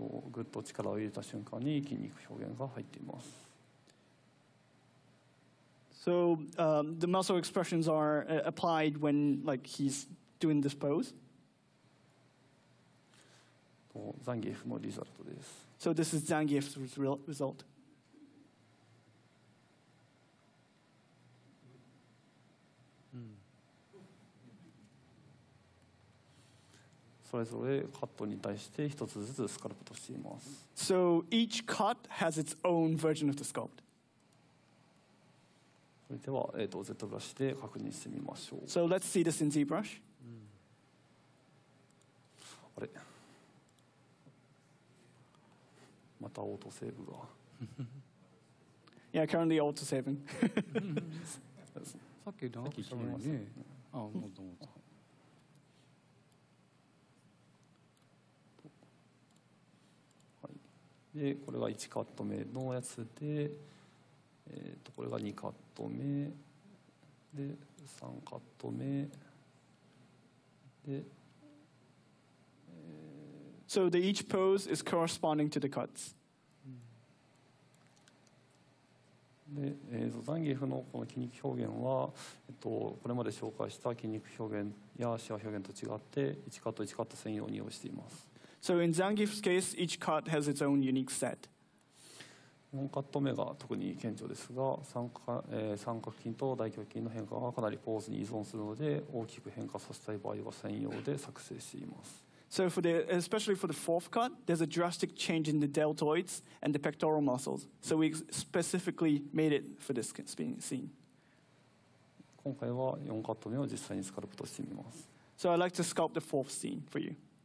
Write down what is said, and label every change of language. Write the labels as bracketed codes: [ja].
[ja] グッと力を入れた瞬間に筋肉表現が入っています。 [en] So, the muscle expressions are applied when, like, he's doing this pose. [ja] ザンギエフのリザルトです。 [en] So this is Zangief's result. [ja] それぞれカットに対して一つずつスカルプトしています。 [en] So each cut has its own version of the sculpt. [ja] それでは、ZBrush で確認してみましょう。 [en] So let's see this in ZBrush.、う [ja] ん、あれ、またオートセーブが。 [en] Yeah, currently auto saving. [ja] さっきダークしたね。あ、もっともっと。でこれが1カット目のやつで、これが2カット目で3カット目で、 [en] So the each pose is corresponding to the cuts. [ja] で、ザンギエフのこの筋肉表現は、これまで紹介した筋肉表現やシワ表現と違って1カット1カット専用に用意しています。 [en] So in Zangief's case, each cut has its own unique set. [ja] 4カット目が特に顕著ですが、三角筋と大胸筋の変化がかなりポーズに依存するので、大きく変化させたい場合は専用で作成しています。 [en] So for the, especially for the fourth cut, there's a drastic change in the deltoids and the pectoral muscles. So we specifically made it for this scene. [ja] 今回は4カット目を実際にスカルプとしてみます。 [en] So I'd like to sculpt the fourth scene for you.